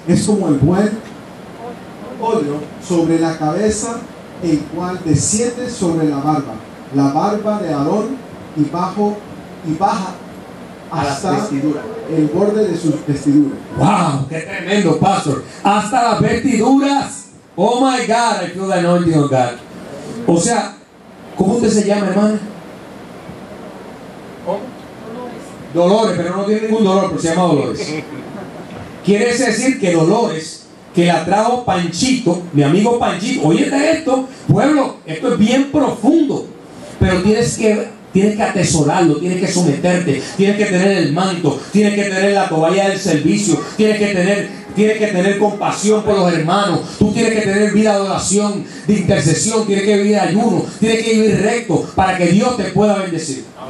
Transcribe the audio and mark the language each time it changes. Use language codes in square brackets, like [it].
[es] Es como el buen óleo sobre la cabeza, el cual desciende sobre la barba de Aarón y bajo y baja hasta la vestidura, el borde de sus vestiduras. Wow, qué tremendo, pastor. Hasta las vestiduras. [en] Oh my God, I feel the anointing of God. [es] O sea, ¿cómo usted se llama, hermana? Dolores, pero no tiene ningún dolor, pero se llama Dolores. Quiere decir que Dolores, que la trajo Panchito, mi amigo Panchito, oye de esto, pueblo, esto es bien profundo, pero tienes que atesorarlo, tienes que someterte, tienes que tener el manto, tienes que tener la toalla del servicio, tienes que tener compasión por los hermanos, tú tienes que tener vida de oración, de intercesión, tienes que vivir ayuno, tienes que vivir recto para que Dios te pueda bendecir.